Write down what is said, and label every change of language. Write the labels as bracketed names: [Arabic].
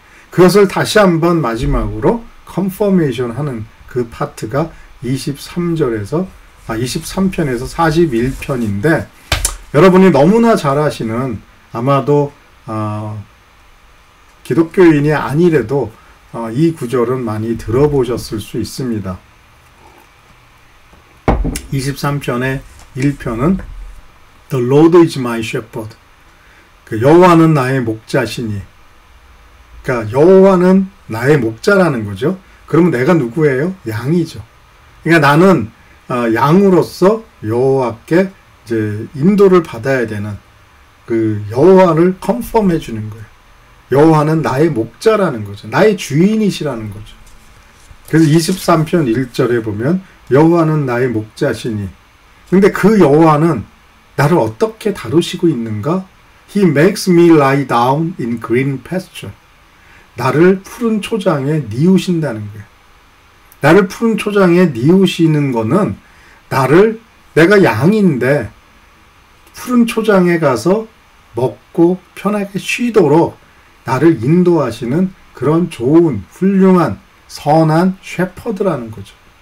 [Korean] 그것을 다시 한번 마지막으로 컨포메이션 하는 그 파트가 23편에서 41편인데 여러분이 너무나 잘 아시는 아마도 기독교인이 아니래도 이 구절은 많이 들어보셨을 수 있습니다. 23편의 1편은 [English] The Lord is my shepherd. [Korean] 그 여호와는 나의 목자시니. 그러니까 여호와는 나의 목자라는 거죠. 그러면 내가 누구예요? 양이죠. 그러니까 나는 양으로서 여호와께 이제 인도를 받아야 되는 그 여호와를 컨펌해 주는 거예요. 여호와는 나의 목자라는 거죠. 나의 주인이시라는 거죠. 그래서 23편 1절에 보면 여호와는 나의 목자시니. 근데 그 여호와는 나를 어떻게 다루시고 있는가? [English] He makes me lie down in green pasture. [Korean] 나를 푸른 초장에 니우신다는 거예요. 나를 푸른 초장에 니우시는 거는 내가 양인데 푸른 초장에 가서 먹고 편하게 쉬도록 나를 인도하시는 그런 좋은 훌륭한 선한 셰퍼드라는 거죠.